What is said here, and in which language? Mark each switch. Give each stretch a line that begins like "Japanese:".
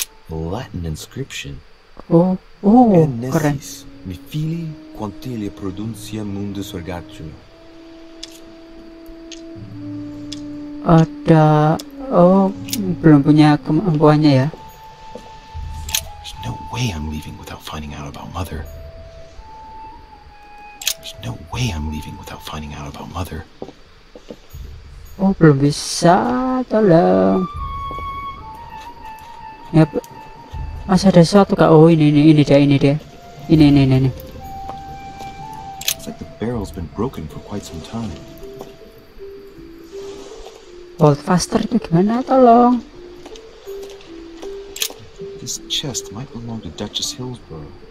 English: Latin inscription.
Indonesian: Oh, keren. Mi fili quantilia produncia mundus vergatum. Ada. Oh, belum punya kemampuannya ya.
English: Way I'm leaving without finding out about mother. There's no way I'm leaving without finding out about mother.
Indonesian: Oh, belum bisa, tolong. Ya, masih ada sesuatu kak. Oh, ini dia.
English: It's like the barrel's been broken for quite some time. Hold faster,
Indonesian: itu gimana, tolong.
English: This chest might belong to Duchess Hillsborough.